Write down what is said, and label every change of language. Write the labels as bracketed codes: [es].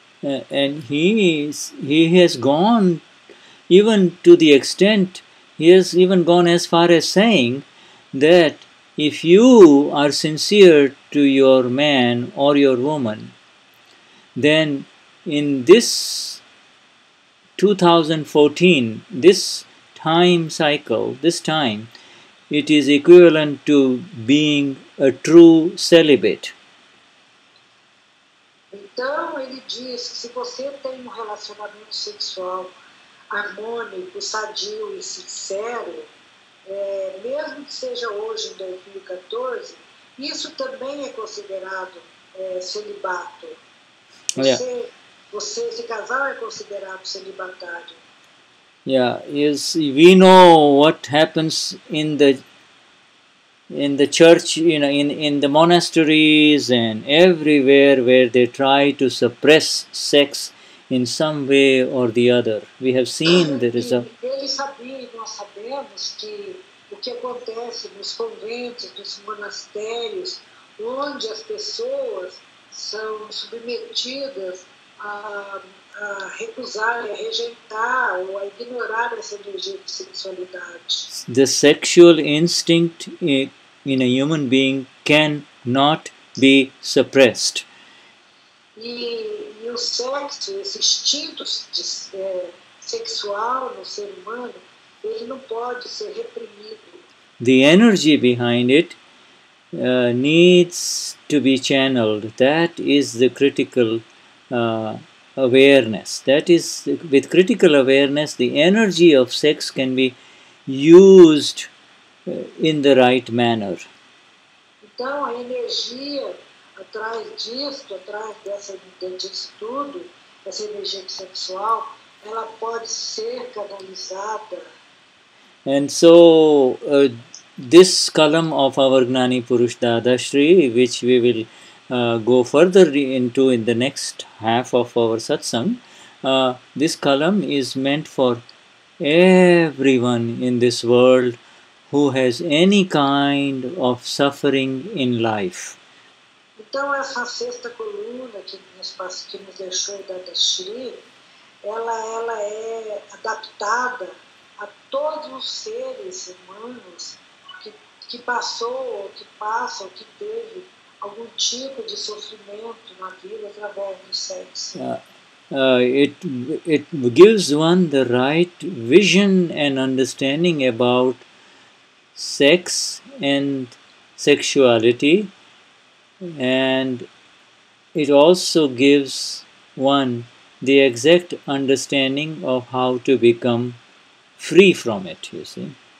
[en] And he has gone even to the extent, he has even gone as far as saying that if you are sincere to your man or your woman, then in this 2014, this time cycle, this time, it is equivalent to being a true celibate. [pt] Então, ele diz, se você tem um relacionamento sexual harmônico, sadio e sincero, mesmo que seja hoje, em 2014, isso também é considerado celibato. Você se casar é considerado celibatário. [en] Yeah, is we know what happens in the church, you know, in the monasteries and everywhere where they try to suppress sex in some way or the other. We have seen the result. [pt] Ele sabia, nós sabemos que o que acontece nos conventos, nos monastérios, onde as pessoas são submetidas a recusar, a rejeitar ou a ignorar essa energia de sexualidade. [en] The sexual instinct in a human being cannot be suppressed. [pt] E o sexo, esse instinto sexual no ser humano, ele não pode ser reprimido. [en] The energy behind it needs to be channeled. That is the critical awareness. That is, with critical awareness, the energy of sex can be used in the right manner. [pt] Então, a energia atrás disto, atrás dessa estudo, essa energia sexual, ela pode ser canalizada. [en] And so, this Kalam of our Gnani Purush Dadashri, which we will go further into in the next half of our satsang, this Kalam is meant for everyone in this world who has any kind of suffering in life. [pt] Então, essa sexta coluna que nos deixou Dadashri, ela é adaptada a todos os seres humanos que passou, ou que passa, ou que teve algum tipo de sofrimento na vida através do sexo. [en] It gives one the right vision and understanding about sex and sexuality, and it also gives one the exact understanding of how to become free from it, you see.